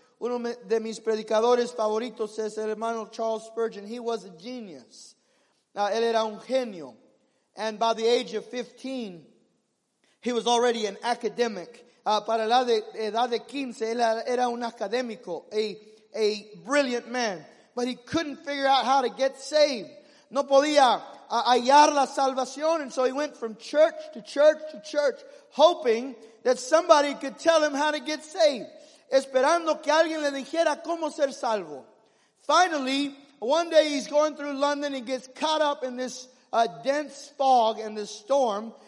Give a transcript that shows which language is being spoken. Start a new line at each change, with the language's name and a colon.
Spanish: Uno de mis predicadores favoritos es el hermano Charles Spurgeon.
English: He was a genius.
Spanish: Él era un genio.
English: And by the age of 15, he was already an academic.
Spanish: Para la edad de 15, él era un académico,
English: a brilliant man. But he couldn't figure out how to get saved.
Spanish: No podía hallar la salvación,
English: and so he went from church to church to church, hoping that somebody could tell him how to get saved.
Spanish: Esperando que alguien le dijera cómo ser salvo.
English: Finally, one day he's going through London, he gets caught up in this dense fog and this storm.